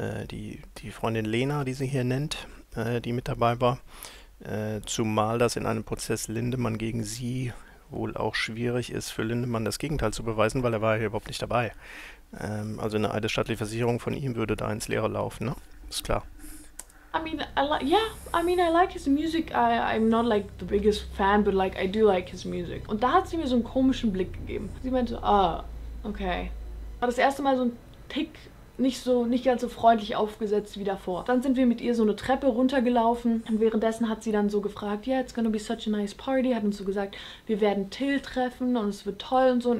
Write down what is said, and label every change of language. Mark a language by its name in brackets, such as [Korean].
[German] die Freundin Lena, die sie hier nennt, die mit dabei war. Zumal das in einem Prozess Lindemann gegen sie wohl auch schwierig ist, für Lindemann das Gegenteil zu beweisen, weil er war ja überhaupt nicht dabei. Also eine eidesstattliche Versicherung von ihm würde da ins Leere laufen, ne? Ist klar. [English] I like his music. I'm not like the biggest fan, but like I do like his music. [German] Und da hat sie mir so einen komischen Blick gegeben. Sie meinte, ah, okay. War das erste Mal so ein Tick nicht ganz so freundlich aufgesetzt wie davor. Dann sind wir mit ihr so eine Treppe runtergelaufen und währenddessen hat sie dann so gefragt, [English] yeah, it's gonna be such a nice party, [German] hat uns so gesagt, wir werden Till treffen und es wird toll und so.